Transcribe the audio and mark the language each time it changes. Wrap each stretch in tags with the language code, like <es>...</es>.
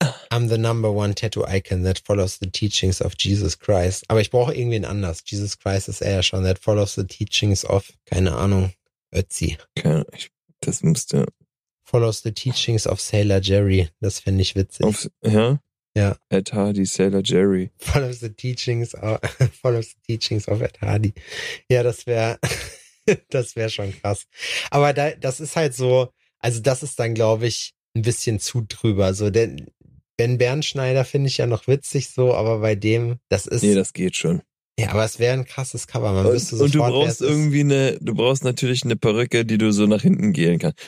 <en>I'm the number one tattoo icon that follows the teachings of Jesus Christ.</en> <de>Aber ich brauche irgendwen anders. Jesus Christ ist er ja schon.</de> <en>That follows the teachings of,</en> <de>keine Ahnung,</de> <en>Ötzi.</en> <de>Das müsste.</de> <en>Follows the teachings of Sailor Jerry.</en> <de>Das fände ich witzig. Ja. Ed Hardy, Sailor Jerry.</de> <en>Follows the teachings of Ed Hardy.</en> <de>Ja, das wäre schon krass. Aber das ist halt so, also das ist dann, glaube ich, ein bisschen zu drüber. So, denn Ben Bernschneider finde ich ja noch witzig so, aber bei dem, das ist. Nee, das geht schon. Ja, aber es wäre ein krasses Cover. Man müsste sofort, du brauchst natürlich eine Perücke, die du so nach hinten gehen kannst.</de>